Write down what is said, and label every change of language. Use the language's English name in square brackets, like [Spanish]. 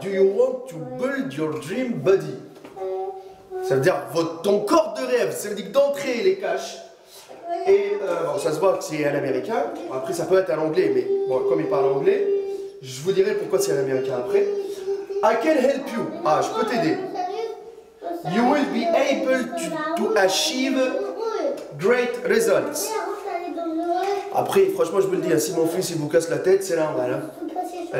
[English] Do you want to build your dream body? [French] Ça veut dire ton corps de rêve. Ça veut dire d'entrer les caches. Et bon, ça se voit que c'est un américain. Après, ça peut être un anglais, mais bon, comme il parle anglais, je vous dirai pourquoi c'est un américain après. [English] I can help you. [French] Ah, je peux t'aider. [English] You will be able to achieve great results. [French] Après, franchement, je vous le dis, si mon fils il vous casse la tête, c'est normal. Hein.